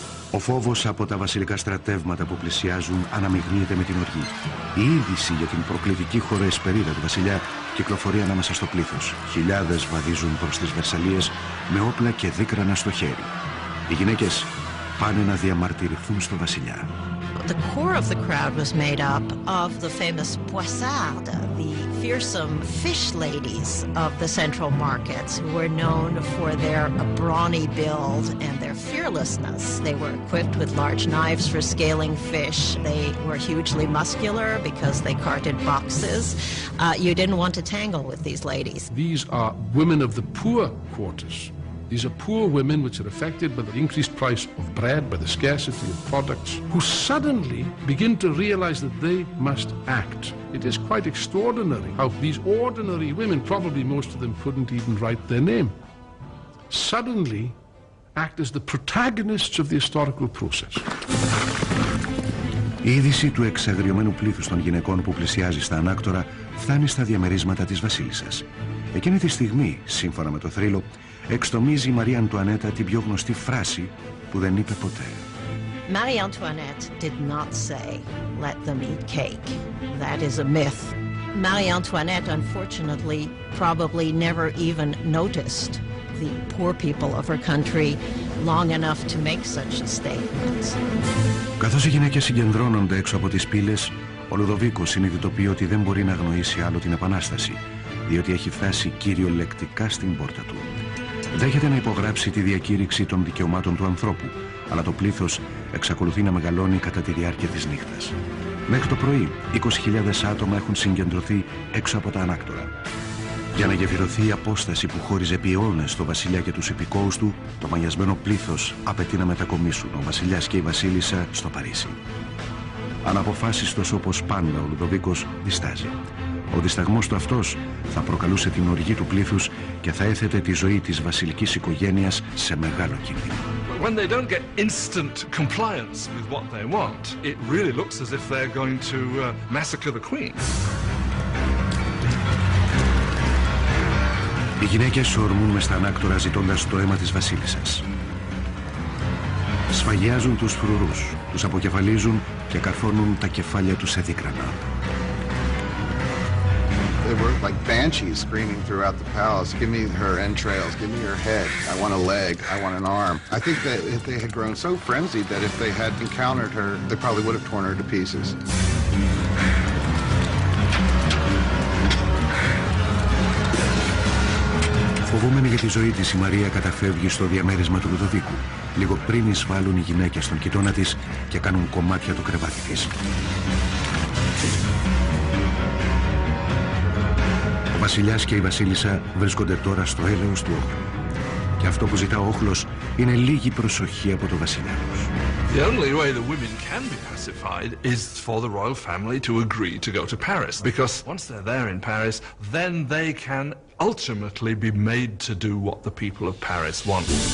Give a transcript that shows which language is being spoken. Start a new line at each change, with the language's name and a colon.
Greek: Ο φόβος από τα βασιλικά στρατεύματα που πλησιάζουν αναμειγνύεται με την οργή. Η είδηση για την προκλητική χώρα εσπερίδα του βασιλιά κυκλοφορεί ανάμεσα στο πλήθος. Χιλιάδες βαδίζουν προς τις Βερσαλίες με όπλα και δίκρανα στο χέρι. Οι γυναίκες πάνε να διαμαρτυρηθούν στο βασιλιά.
English: The core of the crowd was made up of the famous poissardes, the fearsome fish ladies of the central markets, who were known for their brawny build and their fearlessness. They were equipped with large knives for scaling fish. They were hugely muscular because they carted boxes. You didn't want to tangle with these ladies. These are women of the poor quarters. These are poor women which are affected by the increased price of bread, by the scarcity of products, who suddenly begin to realize that they must act. It is quite extraordinary how these ordinary women, probably most of them couldn't even write their name, suddenly act as the protagonists of the historical process.
Greek: Η είδηση του εξαγριωμένου πλήθους των γυναικών που πλησιάζει στα ανάκτορα φτάνει στα διαμερίσματα της βασίλισσας. Εκείνη τη στιγμή, σύμφωνα με το θρύλο, εξτομίζει η Μαρία Αντουανέτα την πιο γνωστή φράση που δεν είπε ποτέ.
English: Marie Antoinette did not say, let them eat cake. That is a myth. Marie Antoinette, unfortunately, probably never even noticed the poor people of her country long enough to make such a statement.
Greek: Καθώς οι γυναίκες συγκεντρώνονται έξω από τις πύλες, ο Λουδοβίκος συνειδητοποιεί ότι δεν μπορεί να γνωρίσει άλλο την Επανάσταση, διότι έχει φτάσει κυριολεκτικά στην πόρτα του. Δέχεται να υπογράψει τη διακήρυξη των δικαιωμάτων του ανθρώπου, αλλά το πλήθος εξακολουθεί να μεγαλώνει κατά τη διάρκεια της νύχτας. Μέχρι το πρωί, 20.000 άτομα έχουν συγκεντρωθεί έξω από τα ανάκτορα. Για να γεφυρωθεί η απόσταση που χώριζε επί αιώνες το βασιλιά και τους υπηκόους του, το μανιασμένο πλήθος απαιτεί να μετακομίσουν ο βασιλιάς και η βασίλισσα στο Παρίσι. Αναποφάσιστος όπως πάντα, ο Λουδοβίκος διστάζει. Ο δισταγμός του αυτός θα προκαλούσε την οργή του πλήθους και θα έθετε τη ζωή της βασιλικής οικογένειας σε μεγάλο κίνδυνο.
English: When they don't get instant compliance with what they want, it really looks as if they're going to massacre the queen.
Greek: Οι γυναίκες ορμούν μες στα ανάκτορα ζητώντας το αίμα της βασίλισσας. Σφαγιάζουν τους φρουρούς, τους αποκεφαλίζουν και καρφώνουν τα κεφάλια τους σε δίκρανα.
English: They were like banshees screaming throughout the palace, give me her entrails, give me her head, I want a leg, I want an arm. I think that if they had grown so frenzied that if they had encountered her, they probably would have torn her to pieces.
Greek: Φοβούμενη για τη ζωή της, η Μαρία καταφεύγει στο διαμέρισμα του Λουδοβίκου. Λίγο πριν εισβάλλουν οι γυναίκες στον κοιτώνα της και κάνουν κομμάτια το κρεβάτι της. Ο βασιλιάς και η βασίλισσα βρίσκονται τώρα στο έλεος του όχλου. Και αυτό που ζητά ο όχλος είναι λίγη προσοχή από το βασιλιά τους.
English: The only way the women can be pacified is for the royal family to agree to go to Paris. Because once they're there in Paris, then they can ultimately be made to do what the people of Paris want.